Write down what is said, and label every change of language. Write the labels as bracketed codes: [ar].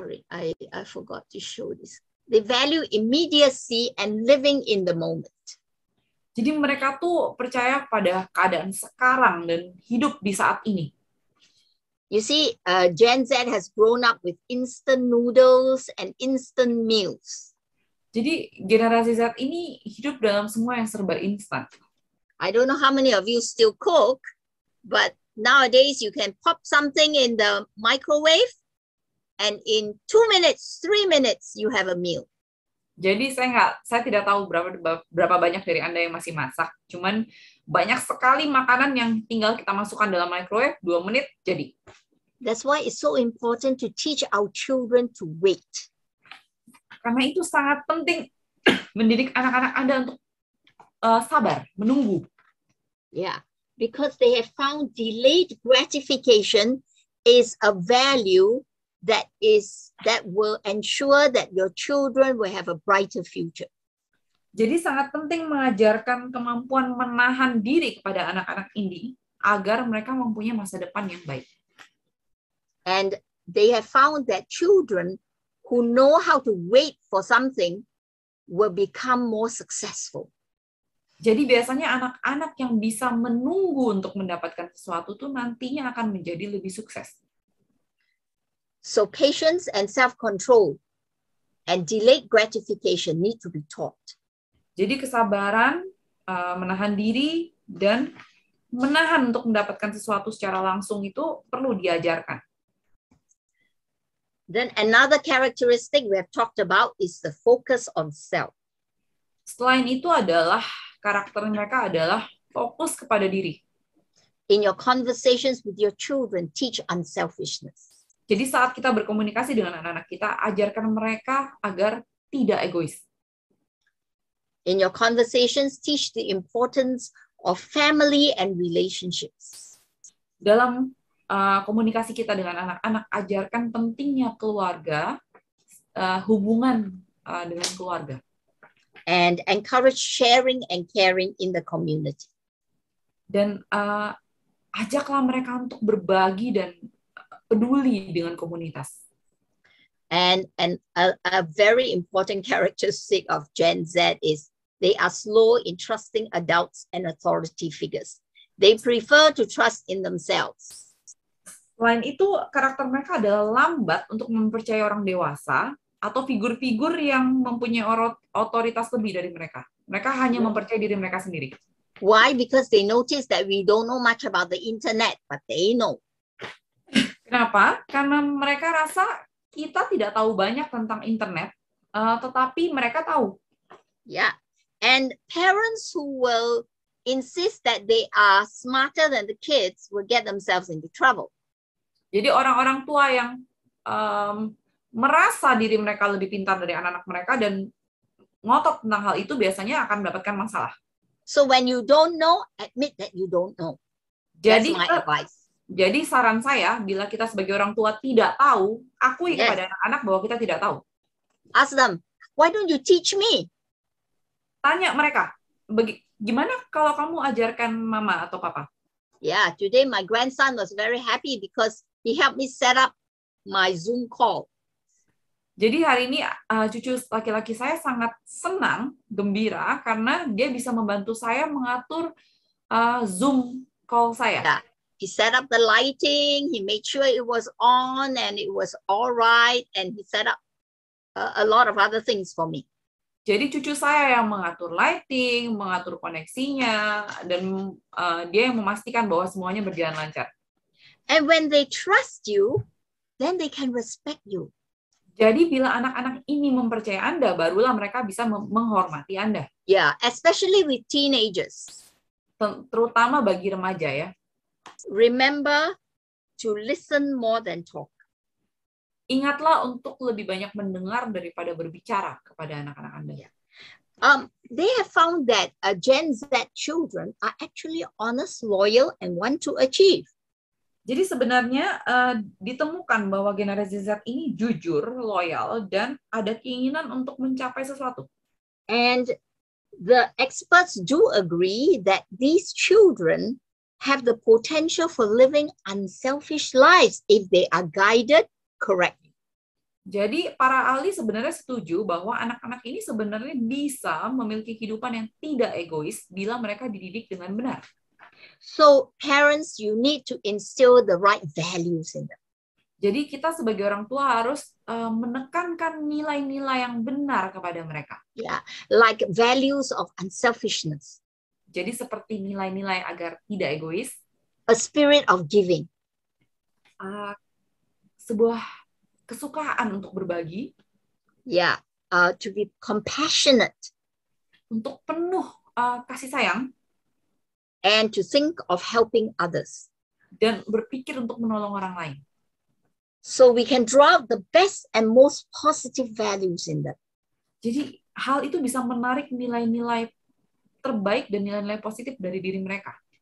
[en] I forgot to show this. They value immediacy and living in the moment. [id] Jadi mereka tuh percaya pada keadaan sekarang dan hidup di saat ini. [en] You see, Gen Z has grown up with instant noodles and instant meals. [id] Jadi generasi Z ini hidup dalam semua yang serba instan. [en] I don't know how many of you still cook, but nowadays you can pop something in the microwave and in 2 minutes, 3 minutes you have a meal. [id] Jadi saya tidak tahu berapa banyak dari Anda yang masih masak. Cuman banyak sekali makanan yang tinggal kita masukkan dalam microwave 2 menit jadi. [en] That's why it's so important to teach our children to wait. [id] Karena itu sangat penting mendidik anak-anak Anda untuk sabar, menunggu. [en] Yeah, because they have found delayed gratification is a value that will ensure that your children will have a brighter future. [id] Jadi sangat penting mengajarkan kemampuan menahan diri kepada anak-anak ini agar mereka mempunyai masa depan yang baik. [en] And they have found that children who know how to wait for something will become more successful. [id] Jadi biasanya anak-anak yang bisa menunggu untuk mendapatkan sesuatu tuh nantinya akan menjadi lebih sukses. [en] So patience and self-control and delayed gratification need to be taught. [id] Jadi kesabaran, menahan diri, dan menahan untuk mendapatkan sesuatu secara langsung itu perlu diajarkan. [en] Then another characteristic we have talked about is the focus on self. [id] Selain itu adalah karakter mereka adalah fokus kepada diri. [en] In your conversations with your children, teach unselfishness. [id] Jadi saat kita berkomunikasi dengan anak-anak kita, ajarkan mereka agar tidak egois. [en] In your conversations, teach the importance of family and relationships. [id] Dalam komunikasi kita dengan anak-anak, ajarkan pentingnya keluarga, hubungan dengan keluarga. [en] And encourage sharing and caring in the community. [id] Dan ajaklah mereka untuk berbagi dan peduli dengan komunitas. [en] And a very important characteristic of Gen Z is they are slow in trusting adults and authority figures. They prefer to trust in themselves. [id] Selain itu, karakter mereka adalah lambat untuk mempercayai orang dewasa atau figur-figur yang mempunyai otoritas lebih dari mereka. Mereka hanya mempercayai diri mereka sendiri. [en] Why? Because they notice that we don't know much about the internet, but they know. [id] Kenapa? Karena mereka rasa kita tidak tahu banyak tentang internet, tetapi mereka tahu. [en] Yeah. And parents who will insist that they are smarter than the kids will get themselves into trouble. [id] Jadi orang-orang tua yang merasa diri mereka lebih pintar dari anak-anak mereka dan ngotot tentang hal itu biasanya akan mendapatkan masalah. [en] So when you don't know, admit that you don't know. [id] Jadi, [en] that's my advice. [id] Jadi saran saya, bila kita sebagai orang tua tidak tahu, akui [en] yes. [id] kepada anak-anak bahwa kita tidak tahu. [en] Ask them, why don't you teach me? [id] Tanya mereka, gimana kalau kamu ajarkan mama atau papa? [en] Yeah, today my grandson was very happy because he helped me set up my Zoom call. [id] Jadi hari ini cucu laki-laki saya sangat senang, gembira, karena dia bisa membantu saya mengatur Zoom call saya. [en] Yeah. He set up the lighting, he made sure it was on and it was all right, and he set up a lot of other things for me. [id] Jadi cucu saya yang mengatur lighting, mengatur koneksinya, dan dia yang memastikan bahwa semuanya berjalan lancar. [en] And when they trust you, then they can respect you. [id] Jadi bila anak-anak ini mempercayai Anda, barulah mereka bisa menghormati Anda. [en] Yeah, especially with teenagers. [id] terutama bagi remaja ya. [en] Remember to listen more than talk. [id] Ingatlah untuk lebih banyak mendengar daripada berbicara kepada anak-anak Anda. [en] Yeah. They have found that Gen Z children are actually honest, loyal, and want to achieve. [id] Jadi sebenarnya ditemukan bahwa generasi Z ini jujur, loyal, dan ada keinginan untuk mencapai sesuatu. [en] And the experts do agree that these children have the potential for living unselfish lives if they are guided correctly. [id] Jadi para ahli sebenarnya setuju bahwa anak-anak ini sebenarnya bisa memiliki kehidupan yang tidak egois bila mereka dididik dengan benar. [en] So parents, you need to instill the right values in them. [id] Jadi kita sebagai orang tua harus menekankan nilai-nilai yang benar kepada mereka. [en] Yeah, like values of unselfishness. [id] Jadi seperti nilai-nilai agar tidak egois. [en] A spirit of giving. [id] Sebuah kesukaan untuk berbagi. [en] Yeah, to be compassionate. [id] Untuk penuh kasih sayang. [en] And to think of helping others. [id] Dan berpikir untuk menolong orang lain. [en] So we can draw out the best and most positive values in them. [id] Jadi hal itu bisa menarik nilai-nilai terbaik dan nilai-nilai positif dari diri mereka.